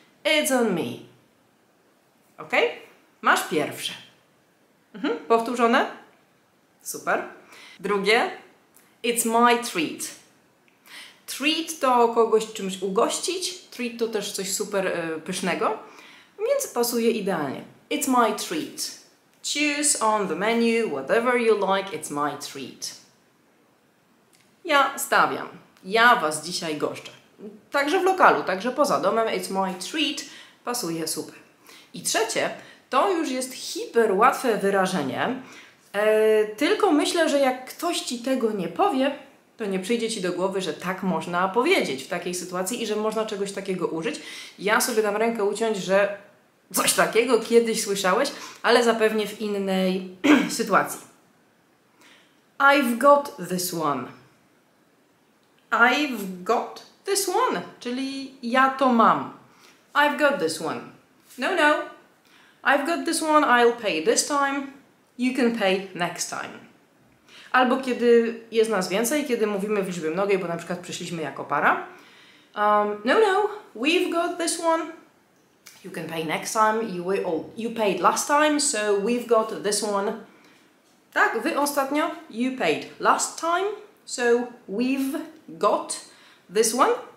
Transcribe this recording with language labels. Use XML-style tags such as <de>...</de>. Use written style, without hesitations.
<en>It's on me.</en> <pl>Ok? Masz pierwsze. Mhm, powtórzone? Super. Drugie.</pl> <en>It's my treat.</en> <pl>Treat to kogoś czymś ugościć. Treat to też coś super pysznego. Więc pasuje idealnie.</pl> <en>It's my treat. Choose on the menu, whatever you like, it's my treat.</en> <pl>Ja stawiam. Ja Was dzisiaj goszczę. Także w lokalu, także poza domem.</pl> <en>It's my treat.</en> <pl>Pasuje super. I trzecie. To już jest hiper łatwe wyrażenie, tylko myślę, że jak ktoś Ci tego nie powie, to nie przyjdzie Ci do głowy, że tak można powiedzieć w takiej sytuacji i że można czegoś takiego użyć. Ja sobie dam rękę uciąć, że coś takiego kiedyś słyszałeś, ale zapewnie w innej sytuacji.</pl> <en>I've got this one. I've got this one,</en> <pl>czyli ja to mam.</pl> <en>I've got this one. No, no. I've got this one, I'll pay this time, you can pay next time.</en> <pl>Albo kiedy jest nas więcej, kiedy mówimy w liczbie mnogiej, bo na przykład przyszliśmy jako para.</pl> <en>No, no, we've got this one, you can pay next time, you paid last time, so we've got this one.</en> <pl>Tak, wy ostatnio,</pl> <en>you paid last time, so we've got this one.</en>